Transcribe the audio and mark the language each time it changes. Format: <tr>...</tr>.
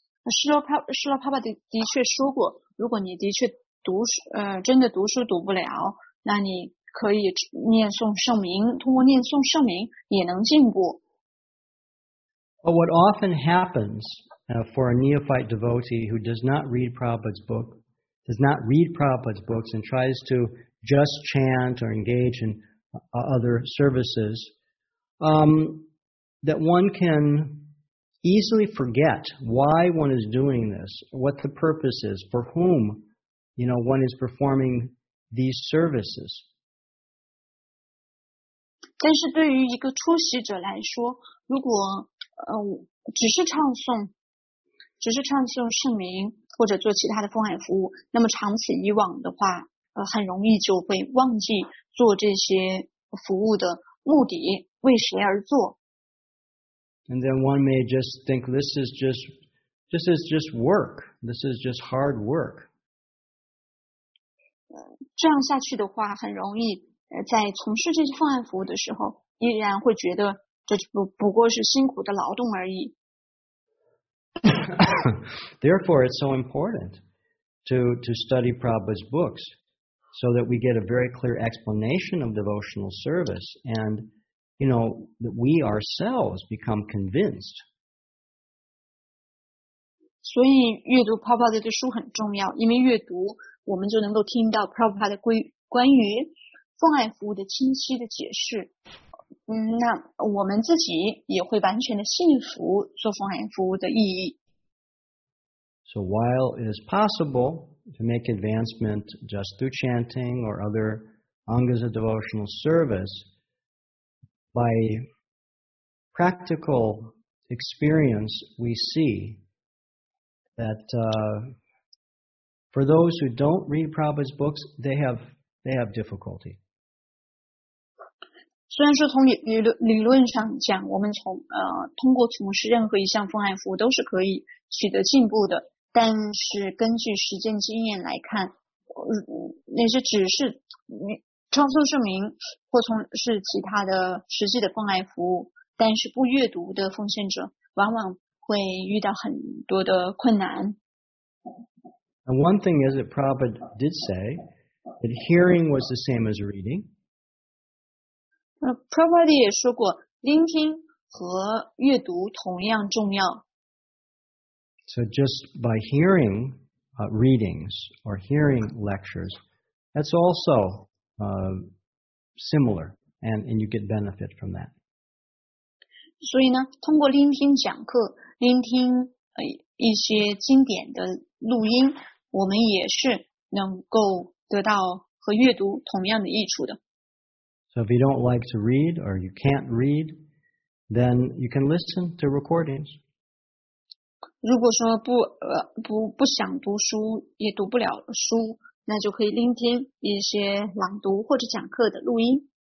<zh>释迦帕帕的确说过，如果你的确真的读书读不了，那你可以念诵圣名，通过念诵圣名也能进步。</zh> <en>But what often happens for a neophyte devotee who does not read Prabhupada's book, does not read Prabhupada's books and tries to just chant or engage in other services, that one can easily forget why one is doing this, what the purpose is, for whom, you know, one is performing these services.</en> <zh>但是对于一个初学者来说，如果只是唱诵只是唱诵圣名或者做其他的奉献服务，那么长此以往的话，很容易就会忘记做这些服务的目的，为谁而做。</zh> <en>And then one may just think this is just work. This is just hard work.</en> <zh>这样下去的话，很容易在从事这些奉献服务的时候，依然会觉得这不过是辛苦的劳动而已。</zh> <en>Therefore, it's so important to study Prabhupada's books so that we get a very clear explanation of devotional service and, you know, that we ourselves become convinced.</en> <zh>所以阅读 Prabhupada 的书很重要，因为阅读我们就能够听到 Prabhupada 关于奉献服务的清晰的解释。那我们自己也会完全的信服做奉献服务的意义。</zh> <en>So while it is possible to make advancement just through chanting or other angas of devotional service, by practical experience we see that for those who don't read Prabhupada's books, they have difficulty.</en> <zh>虽然说从理论上讲，我们从通过从事任何一项奉献服务都是可以取得进步的。但是根据实践经验来看，那些只是唱诵圣名或从事其他的实际的奉献服务，但是不阅读的奉献者，往往会遇到很多的困难。</zh> <en>And one thing is that Prabhupada did say that hearing was the same as reading.</en> <zh>Prabhupada 也说过，聆听和阅读同样重要。</zh> <en>So just by hearing readings or hearing lectures, that's also similar, and you get benefit from that.</en> <zh>所以呢，通过聆听讲课，聆听一些经典的录音，我们也是能够得到和阅读同样的益处的。</zh> <en>So if you don't like to read or you can't read, then you can listen to recordings.</en> <zh>如果说不想读书，也读不了书，那就可以聆听一些朗读或者讲课的录音。</zh>